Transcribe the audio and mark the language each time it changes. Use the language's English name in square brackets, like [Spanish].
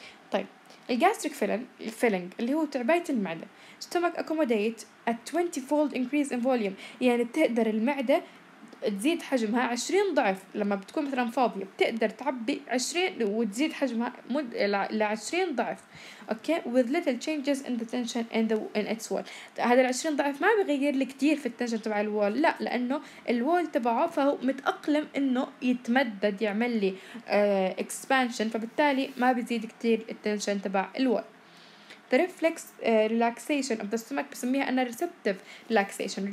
[Arabic] طيب، الجاستريك فيلنج اللي هو تعباية المعدة، [English] stomach accommodate a 20-fold increase in volume، [Arabic] يعني بتقدر المعدة تزيد حجمها 20 ضعف لما بتكون مثلا فاضية، بتقدر تعبي 20 وتزيد حجمها ل 20 ضعف. [English] Okay, with little changes in the tension and in its wall. [Arabic] هذا ال 20 ضعف ما بغير لك كثير في التنشن تبع الوال، لا، لانه الوال تبعه فهو متاقلم انه يتمدد يعمل لي expansion، فبالتالي ما بزيد كثير التنشن تبع الوال. [English] The reflex relaxation of the stomach [Arabic] بسميها أنا [English] receptive relaxation.